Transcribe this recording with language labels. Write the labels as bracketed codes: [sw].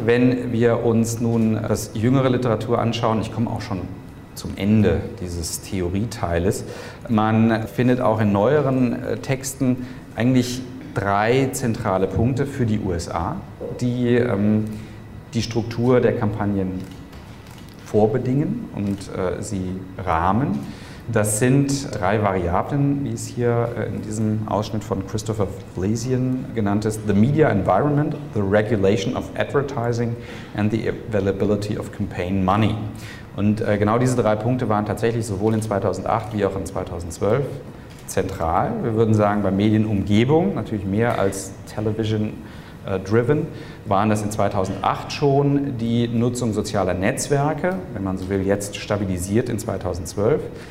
[de] Wenn wir uns nun das jüngere Literatur anschauen, ich komme auch schon zum Ende dieses Theorieteiles, man findet auch in neueren Texten eigentlich drei zentrale Punkte für die USA, die die Struktur der Kampagnen vorbedingen und sie rahmen. Das sind drei Variablen, wie es hier in diesem Ausschnitt von Christopher Vlasian genannt ist. [en] The media environment, the regulation of advertising and the availability of campaign money. [de] Und genau diese drei Punkte waren tatsächlich sowohl in 2008 wie auch in 2012 zentral. Wir würden sagen, bei Medienumgebung, natürlich mehr als television-driven, waren das in 2008 schon die Nutzung sozialer Netzwerke, wenn man so will, jetzt stabilisiert in 2012.